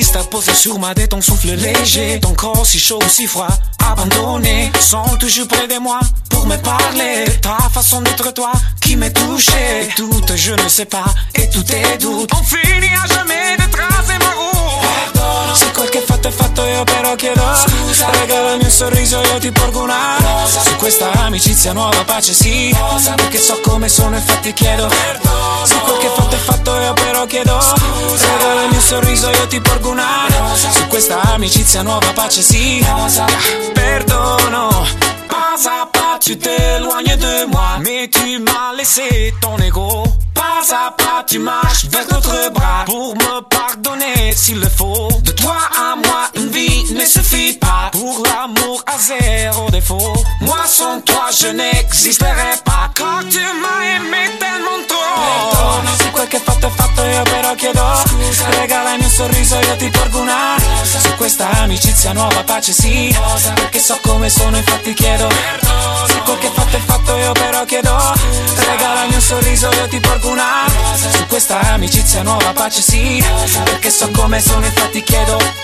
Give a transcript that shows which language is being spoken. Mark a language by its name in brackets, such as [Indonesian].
[French] Posé sur ma tête, ton souffle léger. Ton corps si chaud, si froid, abandonné. Sont toujours près de moi pour me parler. De ta façon d'être toi qui m'est touché. Et tout, je ne sais pas, et tout est doute. On finit à jamais de tracer ma route. [Italian] Perdono. Se quel che fatto è fatto io però chiedo scusa. Regalami un sorriso io ti porgo una rosa. Su questa amicizia nuova pace sì rosa. Perché so come sono infatti chiedo perdono. Se quel che fatto è fatto io però chiedo scusa. Regalami un sorriso io ti porgo una rosa. Su questa amicizia nuova pace sì rosa. Perdono. [French] Pas à pas tu t'éloignes de moi. Mais tu m'as laissé ton ego. Pas à pas tu marches vers d'autres bras. Pour me pardonner s'il le faut. De toi à moi une vie ne suffit pas. Pour l'amour à zéro défaut. Moi sans toi je n'existerai pas. Car tu m'as aimé tellement trop. [Italian] Perdono. Si quel che fatto è fatto io però chiedo scusa. Regalami un sorriso io ti porgo una rosa. Su questa amicizia nuova pace sì rosa. Perché so come sono infatti chiedo perdono. Se quel che fatto è fatto io però chiedo scusa. Regalami un sorriso io ti porgo una rosa. Su questa amicizia nuova pace sì rosa. Perché so come sono infatti chiedo